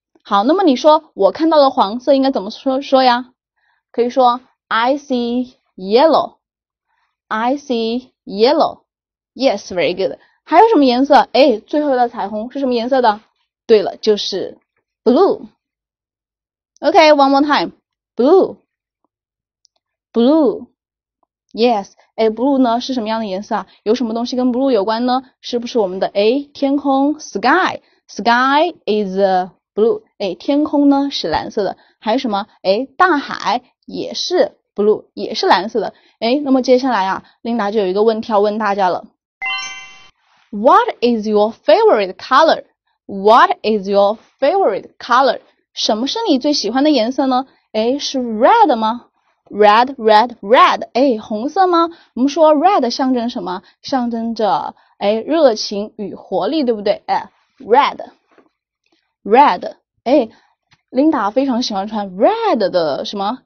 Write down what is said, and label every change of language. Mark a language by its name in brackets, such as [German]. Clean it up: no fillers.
[Chinese] 好，那么你说我看到了黄色应该怎么说呀？可以说 [English] I see yellow. I see yellow. Yes, very good. [Chinese] 还有什么颜色？哎，最后的彩虹是什么颜色的？对了，就是 [English] blue. OK, one more time. Blue. Blue. Yes. [Chinese] 哎， blue 呢是什么样的颜色啊？有什么东西跟 blue 有关呢？是不是我们的哎天空 sky? [English] Sky is a blue, [Chinese] 哎，天空呢是蓝色的，还有什么？哎，大海也是 blue, 也是蓝色的。哎，那么接下来啊，琳达就有一个问题要问大家了。 [English] What is your favorite color? What is your favorite color? [Chinese] 什么是你最喜欢的颜色呢？哎，是 red 吗？Red, red, red. 哎，红色吗？我们说 red 象征什么？象征着哎热情与活力，对不对？哎， red. Red, 哎，琳达非常喜欢穿 red 的什么？